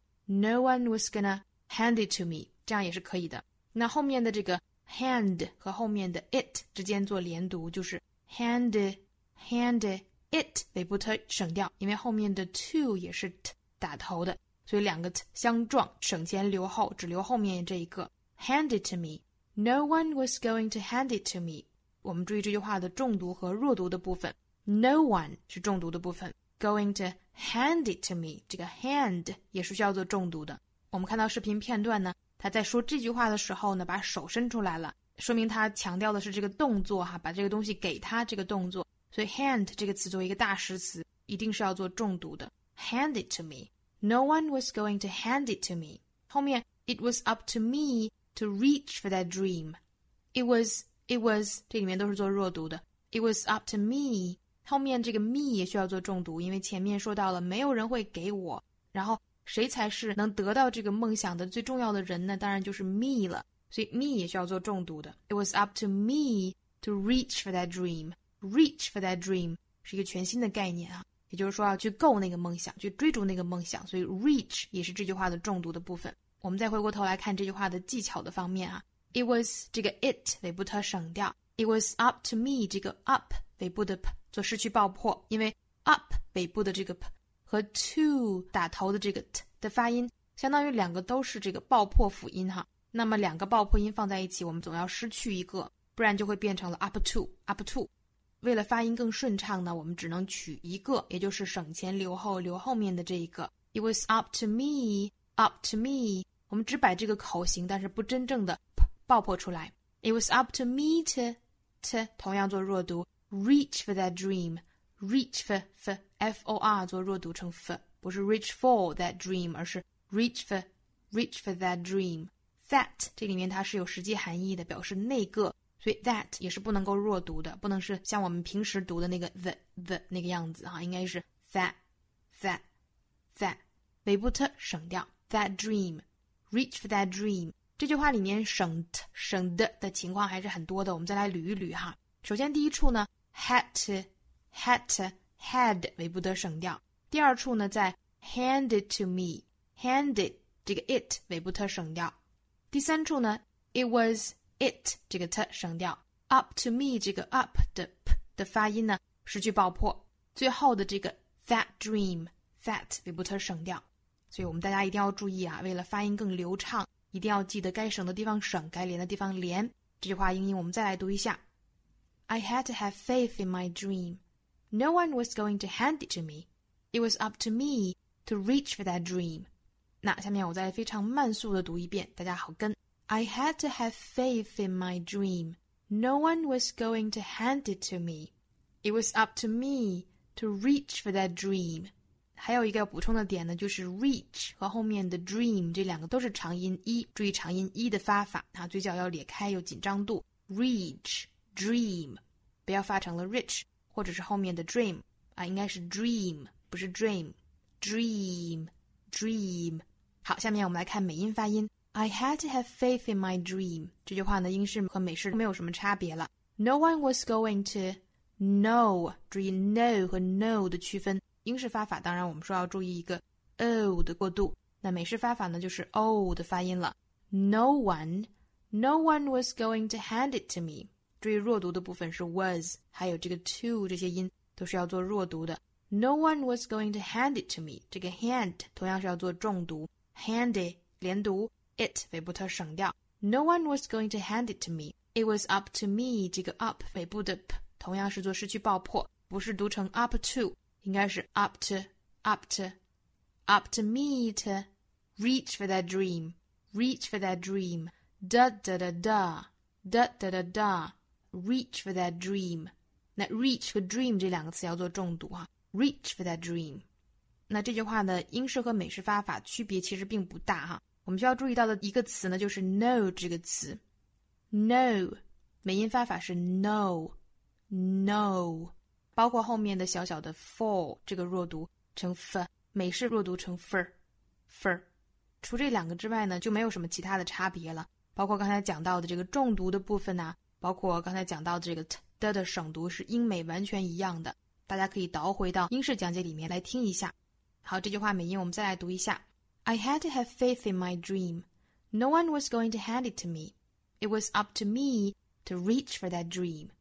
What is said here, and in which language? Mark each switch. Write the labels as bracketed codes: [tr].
[en] No one was gonna hand it to me， [zh] 这样也是可以的。那后面的这个 hand 和后面的 it 之间做连读，就是 [en] hand it [zh] 尾部 t 省掉，因为后面的 to 也是 t 打头的，所以两个 t 相撞，省前留后，只留后面这一个 [en] hand it to me。 No one was going to hand it to me。 [zh] 我们注意这句话的重读和弱读的部分， [en] No one [zh] 是重读的部分， [en] Going to hand it to me [zh] 这个 hand 也是需要做重读的。我们看到视频片段呢，他在说这句话的时候呢，把手伸出来了，说明他强调的是这个动作哈，把这个东西给他这个动作，所以 hand 这个词作为一个大实词一定是要做重读的。 [en] Hand it to me. No one was going to hand it to me. [zh] 后面 [en] It was up to me to reach for that dream. It was [zh] 这里面都是做弱读的。 [en] It was up to me， [zh] 后面这个 me 也需要做重读，因为前面说到了没有人会给我，然后谁才是能得到这个梦想的最重要的人呢，当然就是 me 了，所以 me 也需要做重读的。 [en] It was up to me to reach for that dream. [zh] Reach for that dream 是一个全新的概念啊，也就是说要去够那个梦想，去追逐那个梦想，所以 reach 也是这句话的重读的部分。我们再回过头来看这句话的技巧的方面啊， It was 这个 it 尾部 t 省掉， [en] It was up to me [zh] 这个 up 尾部的 p 做失去爆破，因为 up 尾部的这个 p 和 to 打头的这个 t 的发音相当于两个都是这个爆破辅音哈。那么两个爆破音放在一起，我们总要失去一个，不然就会变成了 up to。为了发音更顺畅呢，我们只能取一个，也就是省前留后，留后面的这一个。 [en] It was up to me [zh] 我们只摆这个口型，但是不真正的爆破出来。 [en] It was up to me to [zh] 同样做弱读， [en] reach for that dream， reach for for [zh] 做弱读成 [en] for， 不是 reach for that dream， [zh] 而是 [en] reach for that dream。 [zh] that 这里面它是有实际含义的，表示那个，所以 that 也是不能够弱读的，不能是像我们平时读的那个 the 那个样子啊，应该是 that 尾部 t 省掉。 [en] that dream， reach for that dream。 [zh] 这句话里面省 t 省的的情况还是很多的，我们再来捋一捋哈。首先第一处呢 had 为不得省掉，第二处呢在 handed to me handed 这个 it 为不得省掉，第三处呢 it was it 这个 t 省掉， up to me 这个 up 的 p 的发音呢失去爆破，最后的这个 that dream that 为不得省掉。所以我们大家一定要注意啊，为了发音更流畅，一定要记得该省的地方省，该连的地方连。这句话英音我们再来读一下。 [en] I had to have faith in my dream. No one was going to hand it to me. It was up to me to reach for that dream. [zh] 那下面我再非常慢速的读一遍，大家好跟。 [en] I had to have faith in my dream. No one was going to hand it to me. It was up to me to reach for that dream. [zh] 还有一个要补充的点呢，就是 reach 和后面的 dream 这两个都是长音 e， 注意长音 e 的发法啊，嘴角要咧开，有紧张度。 reach dream 不要发成了 rich， 或者是后面的 dream 啊，应该是 dream 不是 dream， dream dream。好，下面我们来看美音发音。 [en] I had to have faith in my dream [zh] 这句话呢，英式和美式没有什么差别了。 [en] No one was going to no， 注意 no 和 no [zh] 的区分。英式发法当然我们说要注意一个 O 的过渡，那美式发法呢就是 O 的发音了。 [en] No one was going to hand it to me， [zh] 注意弱读的部分是 [en] was， 还有这个 to [zh] 这些音都是要做弱读的。 [en] No one was going to hand it to me， 这个 hand [zh] 同样是要做重读， [en] hand it 连读， it [zh] 尾部特省掉。 [en] No one was going to hand it to me， it was up to me， 这个 up 尾部的 p [zh] 同样是做失去爆破，不是读成 [en] up to，应该是 up to me to reach for that dream， reach for that dream， da da da da da da da da， reach for that dream。 [zh] 那 reach 和 dream 这两个词要做重读啊， reach for that dream。那这句话的英式和美式发法区别其实并不大哈，我们需要注意到的一个词呢就是 no 这个词， no 美音发法是 no no，包括后面的小小的 fall 这个弱读成 f， 美式弱读成 fur fur。除这两个之外呢就没有什么其他的差别了，包括刚才讲到的这个重读的部分呢、啊、包括刚才讲到的这个 t 的省读是英美完全一样的，大家可以倒回到英式讲解里面来听一下。好，这句话美音我们再来读一下。 [en] I had to have faith in my dream. No one was going to hand it to me. It was up to me to reach for that dream.